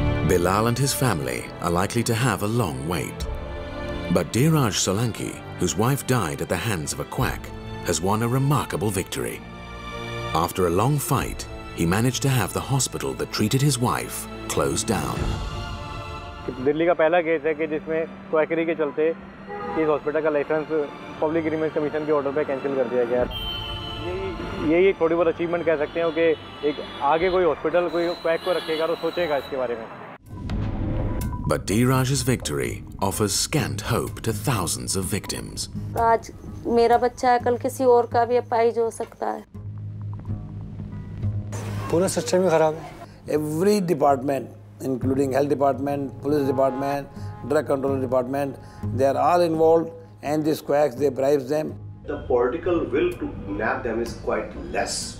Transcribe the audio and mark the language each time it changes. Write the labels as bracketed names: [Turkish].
[English] Bilal and his family are likely to have a long wait. But Dheeraj Solanki, whose wife died at the hands of a quack, has won a remarkable victory. After a long fight, he managed to have the hospital that treated his wife close down. [Hindi] Delhi का पहला case है कि जिसमें quackery के चलते इस hospital का licence public grievance commission के ऑर्डर पे कैंसिल कर दिया गया यही एक थोड़ी बहुत अचीवमेंट कह सकते हैं कि एक आगे कोई हॉस्पिटल कोई क्वैक को रखेगा तो सोचेगा इसके बारे में [English] But Dheeraj's victory offers scant hope to thousands of victims. [Hindi] आज मेरा बच्चा है कल किसी और का भी अपाहिज हो सकता है पूरा सिस्टम ही खराब है [English] Every department including health department, police department, drug control department, they are all involved and these quacks, they bribe them. The political will to nab them is quite less.